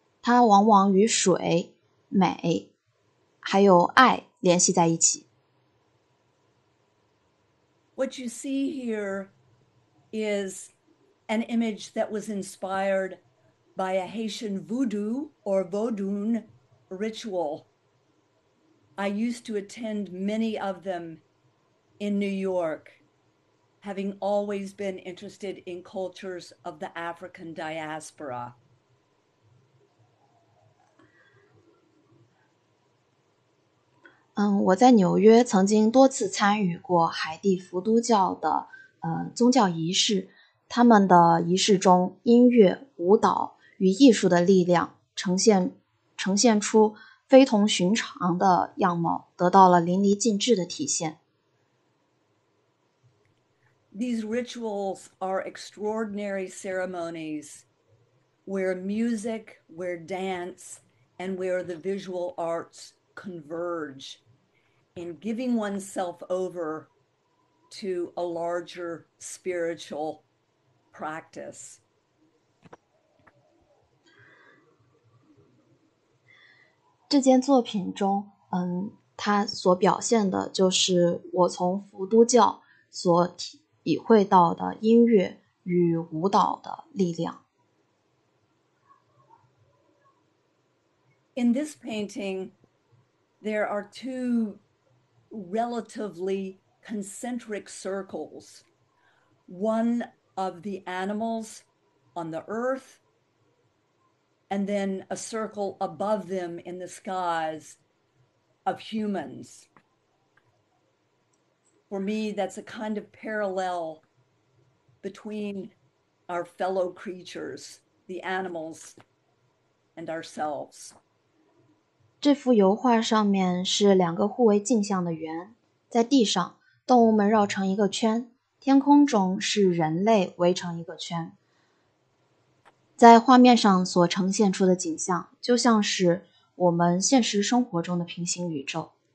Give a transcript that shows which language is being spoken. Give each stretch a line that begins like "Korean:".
Chinese: 它往往与水、美还有爱联系在一起。
English: What you see here is an image that was inspired by a Haitian voodoo or vodun ritual. I used to attend many of them in New York, having always been interested in cultures of the African diaspora.
Chinese: 我在纽约曾经多次参与过海地佛都教的宗教仪式，他们的仪式中，音乐、舞蹈与艺术的力量呈现出非同寻常的样貌，得到了淋漓尽致的体现。
English: These rituals are extraordinary ceremonies where music, where dance, and where the visual arts converge in giving oneself over to a larger spiritual practice.
Chinese: 这件作品中，它所表现的就是我从佛都教所体会到的音乐与舞蹈的力量。
English: In this painting, there are two relatively concentric circles. One of the animals on the earth, and then a circle above them in the skies of humans. For me, that's a kind of parallel between our fellow creatures, the animals, and ourselves.
Chinese: 这幅油画上面是两个互为镜像的圆，在地上，动物们绕成一个圈，天空中是人类围成一个圈。在画面上所呈现出的景象，就像是我们现实生活中的平行宇宙。